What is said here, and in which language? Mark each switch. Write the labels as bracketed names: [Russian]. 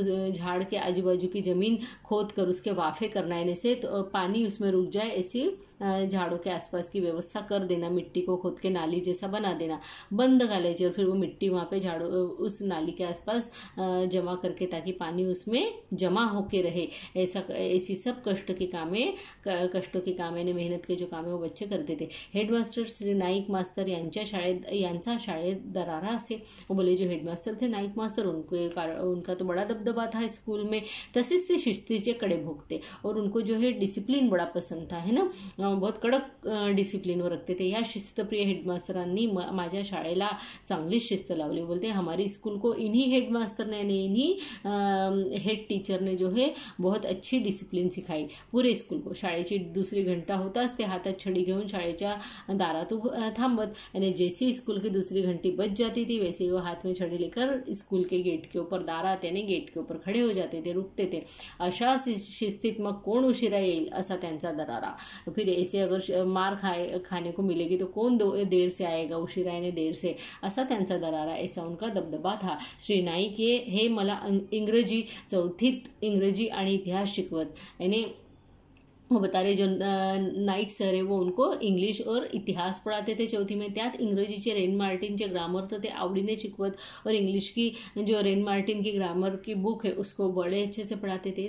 [Hindi] झाड़ के आजू बाजू की जमीन खोद कर उसके वाफे करना, इन्हें से तो पानी उसमें रुक जाए, ऐसी झाड़ों के आसपास की व्यवस्था कर देना, मिट्टी को खोद के नाली जैसा बना देना, बंद घालायचे, और फिर वो मिट्टी वहाँ पे झाड़ों उस नाली के आसपास जमा करके, ताकि पानी उसमें जमा होके रहे, ऐसा ऐसी सब कष्टों के कामें ने मेहनत के जो कामें वो बच्चे करते थे। [Marathi] हेडमास्टर श्री नाईक मास्तर यांचा शाळेत दरारा असे। [Hindi] वो बोले जो हेडमास्टर थे नाईक मास्तर, उनका तो बड़ा दबदबा था स्कूल में, [Marathi] तसेच ते शिस्तीचे कडे भोगते, [Hindi] और उनको जो है डिसिप्लिन बड़ा पसंद था, है ना, बहुत कड़क डिसिप्लिन वो रखते थे। [Marathi] या शिस्तप्रिय हेडमास्तरांनी माझ्या शाळेला चांगली शिस्त लावली। [Hindi] बोलते हमारे स्कूल को इन्हीं हेडमास्तर ने यानी इन्हीं हेड टीचर ने जो है बहुत अच्छी डिसिप्लिन सिखाई पूरे स्कूल को। [Marathi] शाळेची दुसरी घंटा होताच ते हातात छडी घेऊन शाळेच्या दारात थांबत, [Hindi] आणि जैसी स्कूल की दुसरी घंटी बज जाती थी, वैसे ही वो हाथ में छड़ी लेकर स्कूल के गेट के ऊपर दारात यानी गेट के ऊपर खड़े हो जाते थे, रुकते थे। [Marathi] अशा शिस्तीत मग कोण उशिरा येईल असा त्यांचा दरारा। [Hindi] फिर ऐसे अगर मार खाने को मिलेगी तो कौन देर से आएगा, उशिरा ने देर से, [Marathi] असा त्यांचा दरारा, [Hindi] ऐसा उनका दबदबा था। [Marathi] श्री नाईक हे मला इंग्रजी चौथीत इंग्रजी आणि इतिहास शिकवत, [Hindi] यानी वो बता रहे जो नाईक सर है वो उनको इंग्लिश और इतिहास पढ़ाते थे चौथी में, [Marathi] त्यात इंग्रजी के रेन मार्टिन के ग्रामर तो थे आवड़ी ने शिकवत, [Hindi] और इंग्लिश की जो रेन मार्टिन की ग्रामर की बुक है उसको बड़े अच्छे से पढ़ाते थे।